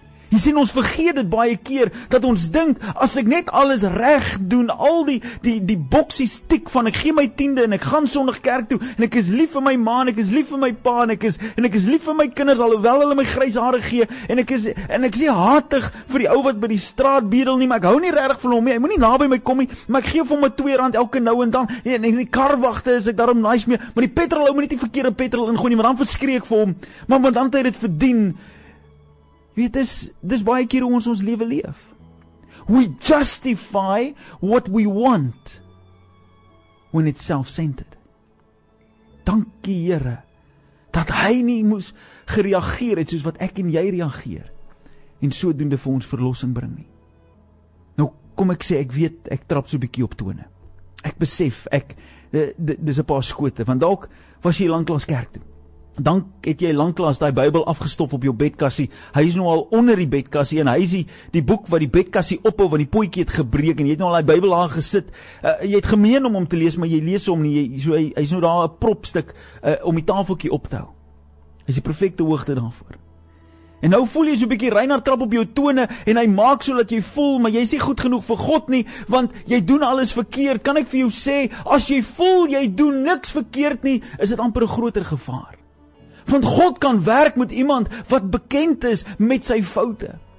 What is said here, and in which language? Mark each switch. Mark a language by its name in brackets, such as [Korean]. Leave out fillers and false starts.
[Afrikaans] Jy sien, ons vergeet dit baie keer, dat ons dink, as ek net alles reg doen, al die boksies tik van, ek gee my tiende en ek gaan sondag kerk toe, en ek is lief vir my ma, en ek is lief vir my pa, en ek is lief vir my kinders, alhoewel hulle my grys hare gee, en ek is nie hatig vir die ou wat by die straat bedel nie, maar ek hou nie regtig van hom nie, hy moet nie na by my kom nie, maar ek gee vir hom R2 elke nou en dan, en die karwagte is ek daarom nice mee, maar die petrol, hou my nie die verkeerde petrol ingooi nie, maar dan verskree ek vir hom, maar want dan het hy dit verdien. Weet, dis baie keer hoe ons lewe leef. [English] We justify what we want when it's self-centered. [Afrikaans] Dankie Here, dat hy nie moes gereageer het soos wat ek en jy reageer en sodoende vir ons verlossing bring nie. Nou kom ek sê, ek weet, ek trap so 'n bietjie op tone. Ek besef, ek, dis 'n paar skote, want dalk was jy lanklaas kerk toe. Dan het jy lanklaas daai Bybel afgestof op jou bedkassie. Hy is nou al onder die bedkassie en hy is die boek wat die bedkassie ophou want die pootjie het gebreek en jy het nou al daai Bybel daar gesit. Jy het gemeen om hom te lees, maar jy lees hom nie. Hy is nou daar 'n propstuk om die tafeltjie op te hou. Hy is die perfekte hoogte daarvoor. En nou voel jy so 'n bietjie Reinhard krap op jou tone en hy maak so dat jy voel, maar jy is nie goed genoeg vir God nie, want jy doen alles verkeerd. Kan ek vir jou sê, as jy voel jy doen niks verkeerd nie, is dit amper 'n groter gevaar. Want God kan werk met iemand wat bekend is met sy foute.